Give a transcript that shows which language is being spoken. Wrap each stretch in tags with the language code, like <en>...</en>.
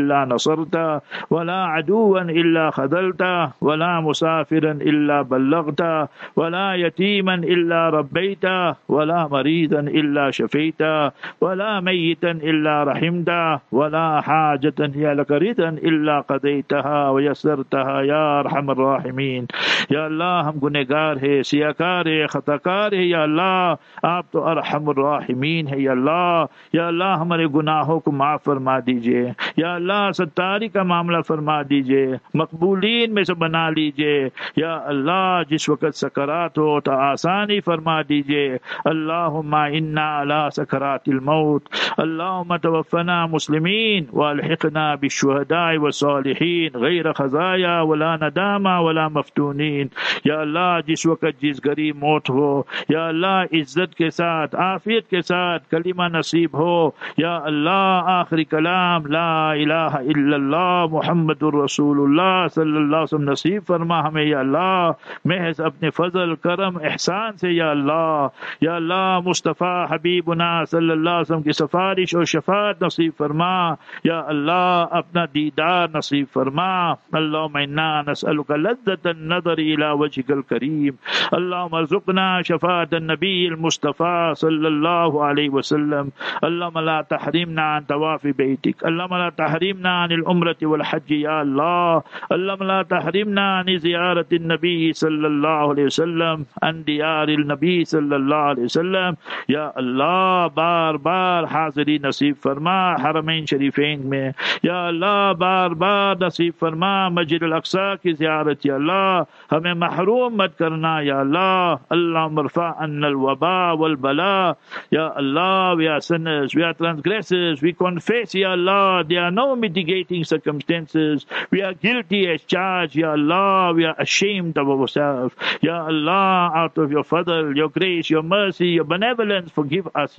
<ar>إلا نصرت ولا عدوا إلا خذلت ولا مسافرا إلا بلغت ولا يتيما إلا ربيت ولا مريضا إلا شفيت ولا ميتا إلا رحمت ولا حاجة يا لكريتا إلا قضيتها ويسرتها يا أرحم الراحمين.</ar> <ur>يا الله ہم گنہگار ہے, سیاکار ہے, خطاکار ہے, یا اللہ آپ تو ارحم الراحمین ہے. یا اللہ ہمارے گناہوں کو معاف فرما دیجئے, یا اللہ ستاری کا معاملہ فرما دیجئے, مقبولین میں سے بنا لیجئے. یا اللہ جس وقت سکرات ہو تو آسانی فرما دیجئے.</ur> <ar>اللہم انا علی سکرات الموت, اللہم توفنا مسلمین والحقنا بالشہداء والصالحین غیر خزایا ولا ندامة ولا مفتونین.</ar> <ur>یا اللہ جس وقت جس غریب موت ہو, یا اللہ عزت کے ساتھ عافیت کے ساتھ کلمہ نصیب ہو. یا اللہ آخری کلام</ur> <ar>لا الہ الا اللہ محمد رسول اللہ</ar> <ur>صلی اللہ علیہ وسلم نصیب فرما ہمیں. یا اللہ محض اپنے فضل کرم احسان سے, یا اللہ مصطفیٰ حبیبنا صلی اللہ علیہ وسلم کی سفارش اور شفاعت نصیب فرما. یا اللہ اپنا دیدار نصیب فرما.</ur> <ar>اللہم انا نسألک لذت النظر الى وجهك الكريم, اللهم ارزقنا شفاعة النبي المصطفى صلى الله عليه وسلم, اللهم لا تحرمنا عن طواف بيتك, اللهم لا تحرمنا عن العمرة والحج يا الله, اللهم لا تحرمنا عن زيارة النبي صلى الله عليه وسلم, عن ديار النبي صلى الله عليه وسلم.</ar> <ur>يا الله بار بار حاضری نصیب فرما حرمين شريفين میں. يا الله بار بار نصیب فرما مسجد الاقصى کی زیارت. يا الله ہمیں محروم مت کرنا.</ur> <ar>یا اللہ اللہ مرفع ان الوباء والبلاء. یا اللہ</ar> <en>we are sinners, we are transgressors, we confess یا اللہ there are no mitigating circumstances, we are guilty as charged.</en> <ar>یا اللہ</ar> <en>we are ashamed of ourselves. یا اللہ out of your fadl, your grace, your mercy, your benevolence forgive us.</en>